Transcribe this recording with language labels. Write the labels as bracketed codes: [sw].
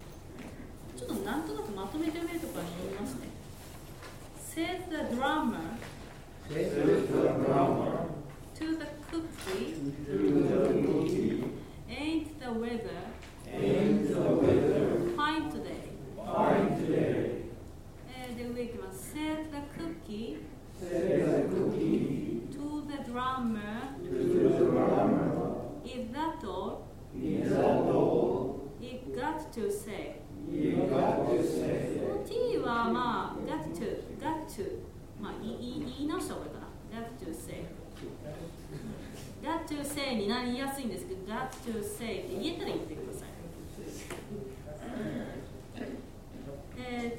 [ja] んとなくまとめて読めるところに読みますね。 [en] Said the drummer to the cookie, ain't the weather fine today? [ja] で上行きます。 [en] Said the cookie to the drummer, is that all? You've got to say. [ja] T はまあ [en] got to [ja] まあ言い直した方がいいかな。 [en] Got to say [ja] になりやすいんですけど、 [en] got to say [ja] って言えたら言ってください。